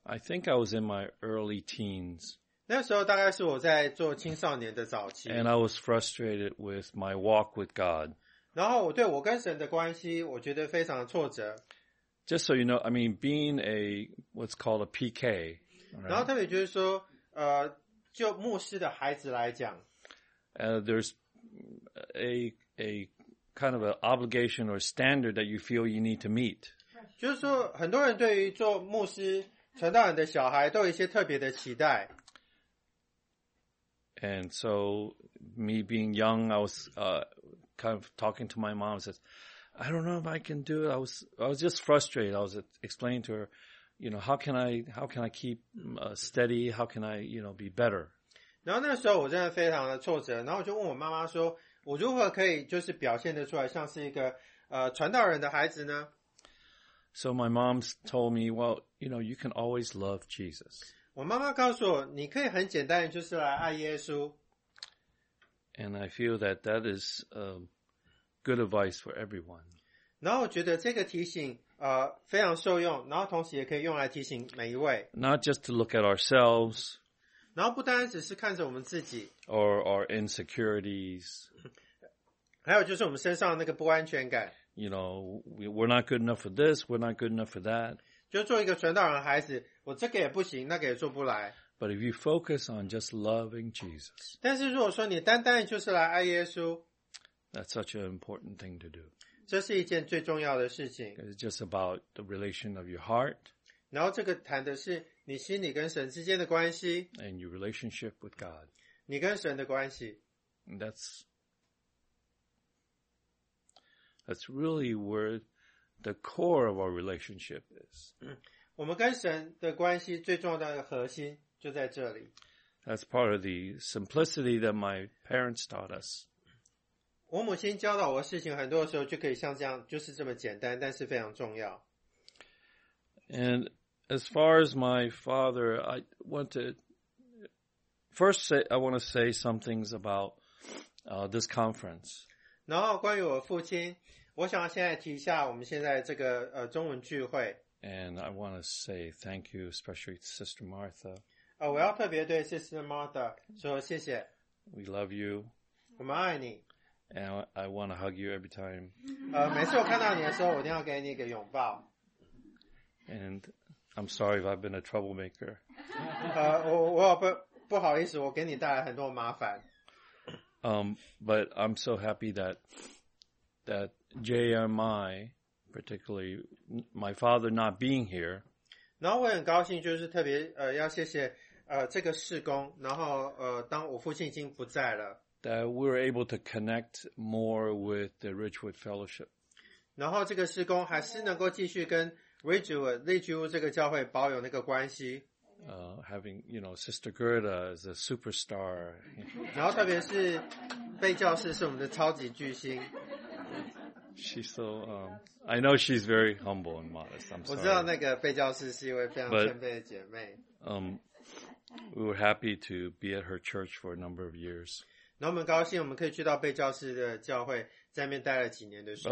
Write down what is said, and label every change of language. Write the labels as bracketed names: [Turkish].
[English] I think I was in my early teens. [Chinese] 那时候大概是我在做青少年的早期。 [English] And I was frustrated with my walk with God. [Chinese] 然后我对我跟神的关系，我觉得非常的挫折。 [English] Just so you know, I mean, being a what's called a PK. [Chinese] 然后特别就是说，就牧师的孩子来讲 [English] ，there's a kind of an obligation or standard that you feel you need to meet. [Chinese] 就是说，很多人对于做牧师、传道人的小孩都有一些特别的期待。 [English] And so, me being young, I was kind of talking to my mom. Says, I don't know if I can do it. I was just frustrated. I was explaining to her, you know, how can I keep steady? How can I, you know, be better? [Chinese] 然后那时候我真的非常的挫折，然后我就问我妈妈说，我如何可以就是表现得出来像是一个传道人的孩子呢？ [English] So my mom told me, well, you know, you can always love Jesus. [Chinese] 我妈妈告诉我，你可以很简单就是来爱耶稣。 [English] And I feel that is good advice for everyone. [Chinese] 然后我觉得这个提醒非常受用，然后同时也可以用来提醒每一位。 [English] Not just to look at ourselves. [Chinese] 然后不单只是看着我们自己。 [English] Or our insecurities. [Chinese] 还有就是我们身上那个不安全感。 [English] You know, we're not good enough for this, we're not good enough for that. [Chinese] 就做一个传道人的孩子，我这个也不行，那个也做不来。 [English] But if you focus on just loving Jesus. [Chinese] 但是如果说你单单就是来爱耶稣。 [English] That's such an important thing to do. [Chinese] 这是一件最重要的事情。 [English] It's just about the relation of your heart. [Chinese] 然后这个谈的是你心里跟神之间的关系。 [English] And your relationship with God. [Chinese] 你跟神的关系。 [English] And that's really where the core of our relationship is. [Chinese] 我们跟神的关系最重要的核心就在这里。 [English] That's part of the simplicity that my parents taught us. [Chinese] 我母亲教导我的事情，很多的时候就可以像这样，就是这么简单，但是非常重要。 [English] And as far as my father, I want to first say, I want to say some things about this conference. [Chinese] 然后关于我父亲，我想要现在提一下我们现在这个中文聚会。 [English] And I want to say thank you, especially to Sister Martha. [Chinese] 我要特别对 Sister Martha 说谢谢。 [English] We love you. [Chinese] 我们爱你。 [English] And I want to hug you every time. [Chinese] 每次我看到你的时候，我一定要给你一个拥抱。 [English] And I'm sorry if I've been a troublemaker. [Chinese] 我不好意思，我给你带来很多麻烦。 [English] But I'm so happy that JMI, particularly my father not being here. [Chinese] 然后我很高兴，就是特别要谢谢这个事工。然后当我父亲已经不在了。 [English] That we were able to connect more with the Ridgewood Fellowship. [Chinese] 然后这个事工还是能够继续跟 Ridgewood 这个教会保有那个关系。 [English] Having, you know, Sister Gerda is a superstar. [Chinese] 然后特别是贝教士是我们的超级巨星。 [English] She's so, I know she's very humble and modest. I'm sorry. [Chinese] 我知道那个贝教士是一位非常谦卑的姐妹。 [English] We were happy to be at her church for a number of years. [Chinese] 然后我们高兴我们可以去到贝教士的教会在那边待了几年的时间。